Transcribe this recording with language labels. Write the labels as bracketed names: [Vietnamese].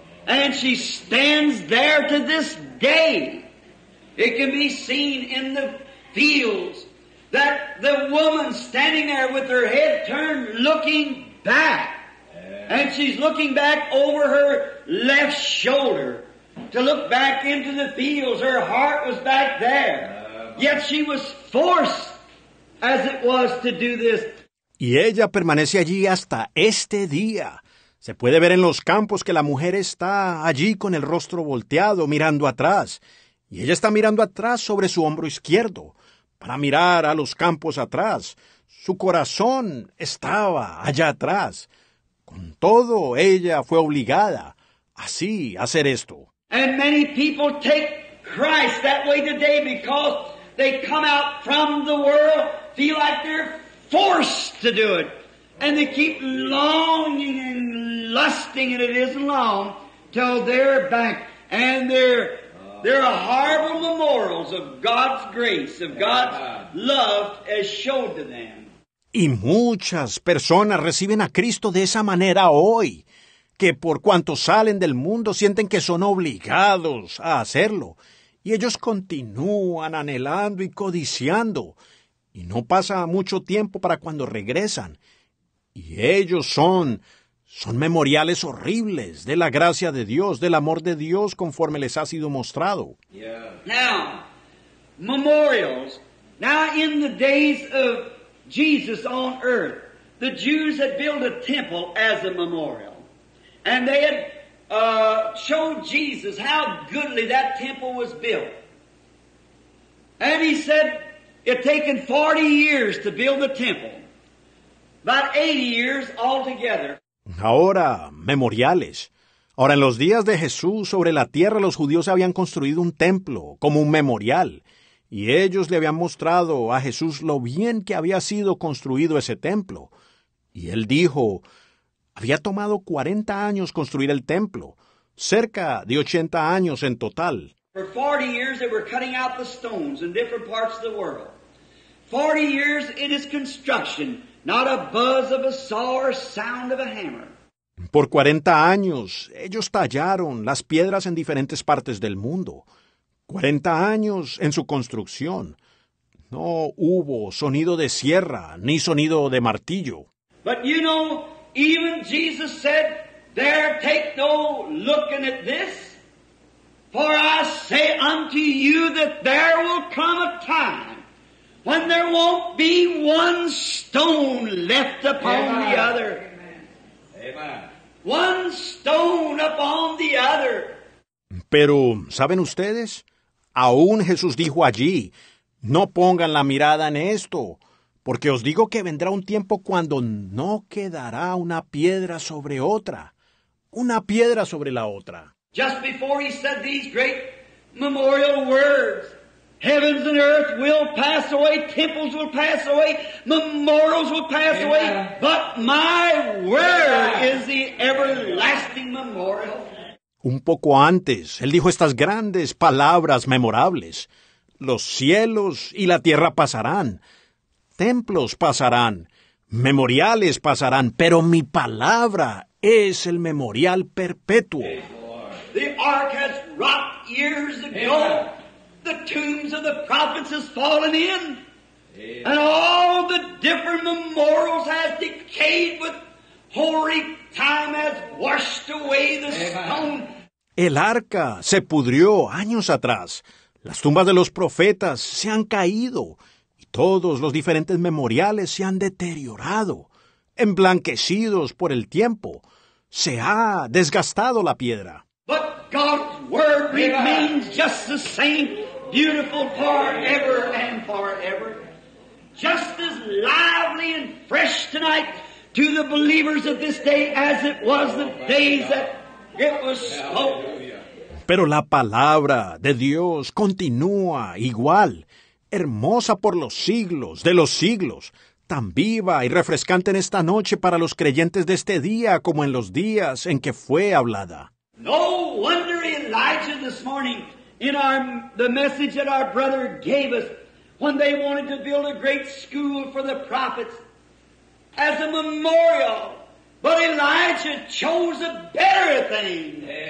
[English] And she stands there to this day. It can be seen in the fields that the woman standing there with her head turned looking back. And she's looking back over her left shoulder to look back into the fields. Her heart was back there. Yet she was forced, as it was, to do this. [Spanish] Y ella permanece allí hasta este día. Se puede ver en los campos que la mujer está allí con el rostro volteado, mirando atrás. Y ella está mirando atrás sobre su hombro izquierdo, para mirar a los campos atrás. Su corazón estaba allá atrás. Con todo, ella fue obligada así a hacer esto. [English] And many people take Christ that way today because they come out from the world, feel like they're forced to do it. And they keep longing and lusting, and it isn't long till they're back. And there are horrible memorials of God's grace, of God's love as shown to them. [Spanish] Y muchas personas reciben a Cristo de esa manera hoy, que por cuanto salen del mundo sienten que son obligados a hacerlo. Y ellos continúan anhelando y codiciando. Y no pasa mucho tiempo para cuando regresan. Y ellos son memoriales horribles de la gracia de Dios, del amor de Dios conforme les ha sido mostrado. [English] Now, memorials. Now in the days of Jesus on earth, the Jews had built a temple as a memorial. And they had shown Jesus how goodly that temple was built. And he said, it had taken 40 years to build the temple. About 80 years altogether. [Spanish] Ahora, memoriales. Ahora, en los días de Jesús sobre la tierra, los judíos habían construido un templo como un memorial. Y ellos le habían mostrado a Jesús lo bien que había sido construido ese templo. Y él dijo, había tomado 40 años construir el templo, cerca de 80 años en total. [English] For 40 years they were cutting out the stones in different parts of the world. 40 years in its construction, not a buzz of a saw or sound of a hammer. [Spanish] Por 40 años ellos tallaron las piedras en diferentes partes del mundo. 40 años en su construcción. No hubo sonido de sierra ni sonido de martillo. [English] But you know, even Jesus said, there take no looking at this. For I say unto you that there will come a time when there won't be one stone left upon Amen. The other. Amen. One stone upon the other. [Spanish] Pero, ¿saben ustedes? Aún Jesús dijo allí, no pongan la mirada en esto, porque os digo que vendrá un tiempo cuando no quedará una piedra sobre otra, una piedra sobre la otra. [English] Just before he said these great memorial words, heavens and earth will pass away, temples will pass away, memorials will pass Amen. Away, but my word Amen. Is the everlasting memorial. [Spanish] Un poco antes, él dijo estas grandes palabras memorables. Los cielos y la tierra pasarán. Templos pasarán. Memoriales pasarán. Pero mi palabra es el memorial perpetuo. [English] The ark has rocked years ago. The tombs of the prophets has fallen in. And all the different memorials has decayed with Hoary time has washed away the stone. [Spanish] El arca se pudrió años atrás. Las tumbas de los profetas se han caído. Y todos los diferentes memoriales se han deteriorado, emblanquecidos por el tiempo. Se ha desgastado la piedra. [English] But God's word remains just the same, beautiful forever and forever. Just as lively and fresh tonight to the believers of this day as it was the days that it was spoken. [Spanish] Pero la palabra de Dios continúa igual, hermosa por los siglos de los siglos, tan viva y refrescante en esta noche para los creyentes de este día como en los días en que fue hablada. [English] No wonder Elijah this morning in our, the message that our brother gave us when they wanted to build a great school for the prophets as a memorial. But Elijah chose a better thing.